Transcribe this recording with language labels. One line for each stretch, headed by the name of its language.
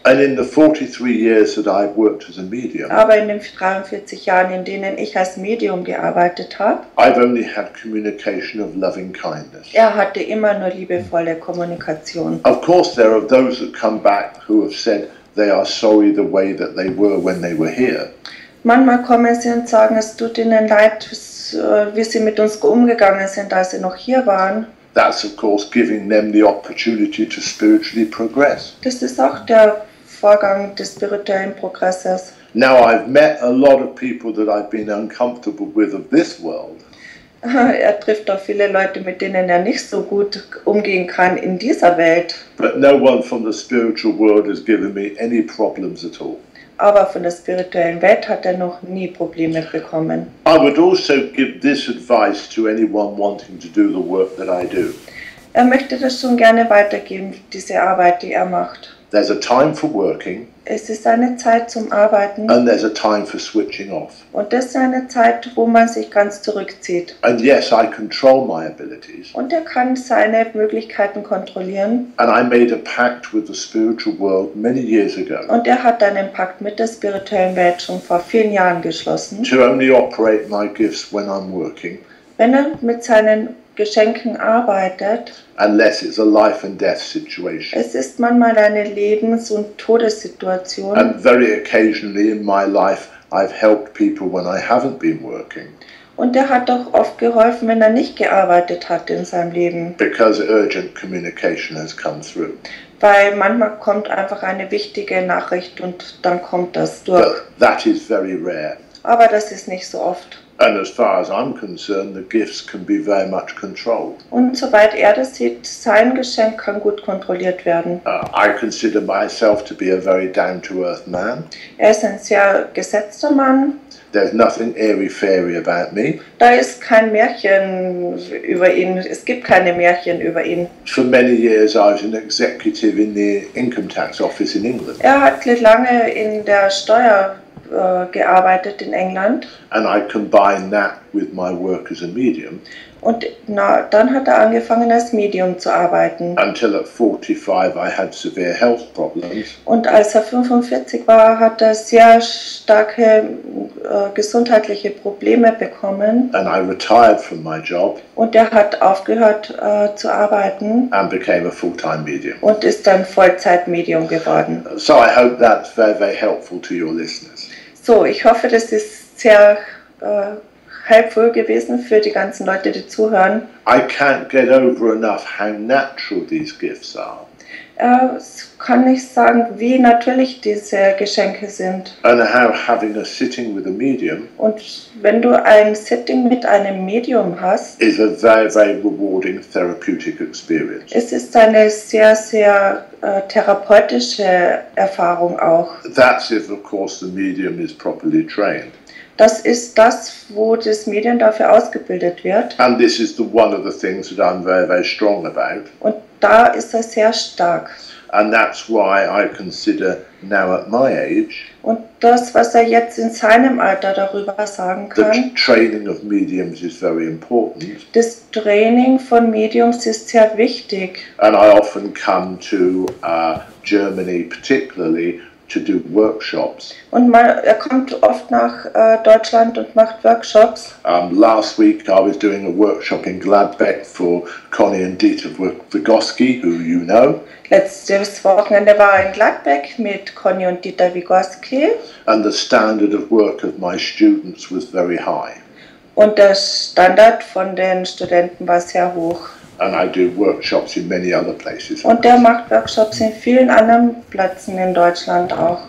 English: And in the 43 years that I've worked as a medium.
German: Aber in den 43 Jahren, in denen ich als Medium gearbeitet habe.
English: I've only had communication of loving kindness.
German: Er hatte immer nur liebevolle Kommunikation.
English: Of course there are those that come back who have said they are sorry the way that they were when they were here.
German: Manchmal kommen sie und sagen, es tut ihnen leid, wie sie mit uns umgegangen sind, als sie noch hier waren.
English: That's of course giving them the opportunity to spiritually progress.
German: Das ist auch der Vorgang des spirituellen Progresses.
English: Now I've met a lot of people that I've been uncomfortable with of this world.
German: Er trifft auch viele Leute, mit denen er nicht so gut umgehen kann in dieser Welt.
English: But no one from the spiritual world has given me any problems at all.
German: Aber von der spirituellen Welt hat er noch nie Probleme bekommen.
English: I would also give this advice to anyone wanting to do the work that I do.
German: Er möchte das schon gerne weitergeben, diese Arbeit, die er macht.
English: There's a time for working.
German: Es ist eine Zeit zum Arbeiten.
English: And there's a time for switching off.
German: Und das ist eine Zeit, wo man sich ganz zurückzieht.
English: And yes, I control my abilities.
German: Und er kann seine Möglichkeiten kontrollieren.
English: And I made a pact with the spiritual world many years ago.
German: Und er hat einen Pakt mit der spirituellen Welt schon vor vielen Jahren geschlossen.
English: To only operate my gifts when I'm working.
German: Wenn er mit seinen Geschenken arbeitet.
English: Unless it's a life and death situation.
German: Es ist manchmal eine Lebens- und Todessituation.
English: And very occasionally in my life I've helped people when I haven't been working.
German: Und er hat doch oft geholfen, wenn er nicht gearbeitet hat in seinem Leben.
English: Because urgent communication has come through.
German: Weil manchmal kommt einfach eine wichtige Nachricht und dann kommt das durch.
English: But that is very rare.
German: Aber das ist nicht so oft.
English: And as far as I'm concerned, the gifts can be very much controlled.
German: Und soweit er das sieht, sein Geschenk kann gut kontrolliert werden.
English: I consider myself to be a very down-to-earth man.
German: Er ist ein sehr gesetzter Mann.
English: There's nothing airy-fairy about me.
German: Da ist kein Märchen über ihn. Es gibt keine Märchen über ihn.
English: For many years I was an executive in the income tax office in England.
German: Er hat lange in der Steuer gearbeitet in England.
English: And I combine that with my work as a medium.
German: Und dann hat er angefangen als Medium zu arbeiten.
English: Until at 45 I had severe health problems.
German: Und als er 45 war, hat er sehr starke gesundheitliche Probleme bekommen.
English: And I retired from my job.
German: Und er hat aufgehört zu arbeiten.
English: And became a full-time medium.
German: Und ist dann Vollzeitmedium geworden.
English: So I hope that's very, very helpful to your listeners.
German: So, ich hoffe, das ist sehr helpful gewesen für die ganzen Leute, die zuhören.
English: I can't get over enough how natural these gifts are.
German: Kann ich sagen, wie natürlich diese Geschenke sind.
English: And how having a sitting with a medium.
German: Und wenn du ein Sitting mit einem Medium hast,
English: is a very, very rewarding therapeutic experience.
German: Es ist eine sehr, sehr therapeutische Erfahrung auch.
English: That's if, of course, the medium is properly trained.
German: Das ist das, wo das Medium dafür ausgebildet wird.
English: And this is the one of the things that I'm very, very strong about.
German: Und da ist er sehr stark.
English: And that's why I consider now at my age.
German: Und das, was er jetzt in seinem Alter darüber sagen kann.
English: The training of mediums is very important.
German: Das Training von Mediums ist sehr wichtig.
English: And I often come to Germany particularly to do workshops.
German: Und er kommt oft nach Deutschland und macht Workshops.
English: Last week I was doing a workshop in Gladbeck for Connie and Dieter Vygotsky, who you know.
German: Letztes Wochenende war in Gladbeck mit Connie und Dieter Vygotsky.
English: And the standard of work of my students was very high.
German: Und der Standard von den Studenten war sehr hoch.
English: And I do workshops in many other places.
German: Und der macht Workshops in vielen anderen Plätzen in Deutschland auch.